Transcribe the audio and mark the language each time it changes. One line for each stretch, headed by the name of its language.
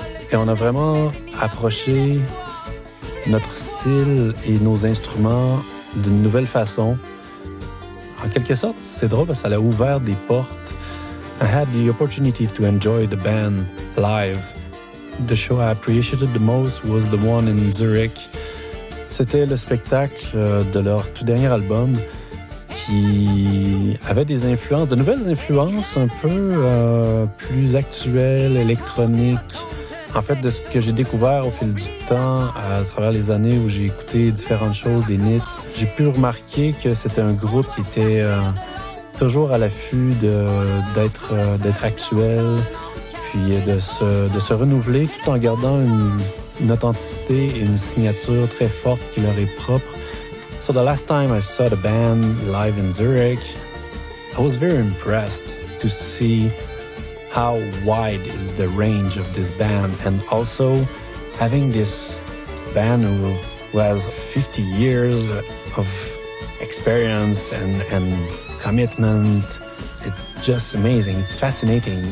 French: Et on a vraiment approché notre style et nos instruments d'une nouvelle façon. En quelque sorte, c'est drôle parce que ça a ouvert des portes.
English: I had the opportunity to enjoy the band live. The show I appreciated the most was the one in Zurich.
French: C'était le spectacle de leur tout dernier album qui avait des influences, de nouvelles influences un peu plus actuelles, électroniques. En fait, de ce que j'ai découvert au fil du temps, à travers les années où j'ai écouté différentes choses des Nits, j'ai pu remarquer que c'était un groupe qui était toujours à l'affût d'être actuel, puis de se renouveler tout en gardant une authenticité et une signature très forte qui leur est propre.
English: So the last time I saw the band live in Zurich, I was very impressed to see how wide is the range of this band. And also having this band who has 50 years of experience and commitment, it's just amazing. It's fascinating.